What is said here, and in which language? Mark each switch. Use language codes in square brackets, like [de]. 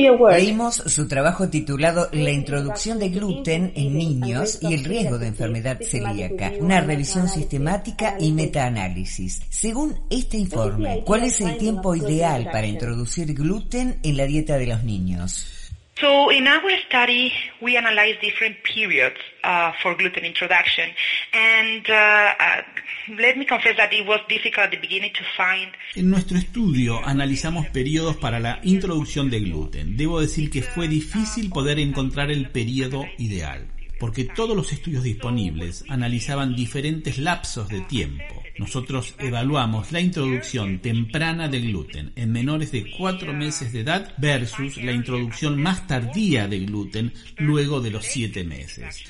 [es] Leímos su trabajo titulado La introducción de gluten en niños y el riesgo de enfermedad celíaca, una revisión sistemática y metaanálisis. Según este informe, ¿cuál es el tiempo ideal para introducir gluten en la dieta de los niños? [en] So in our study we analyzed different periods for gluten introduction and let me confess that it was difficult at the beginning to find. [es] En nuestro estudio analizamos periodos para la introducción de gluten. Debo decir que fue difícil poder encontrar el periodo ideal, porque todos los estudios disponibles analizaban diferentes lapsos de tiempo. Nosotros evaluamos la introducción temprana de gluten en menores de 4 meses de edad versus la introducción más tardía de gluten luego de los 7 meses.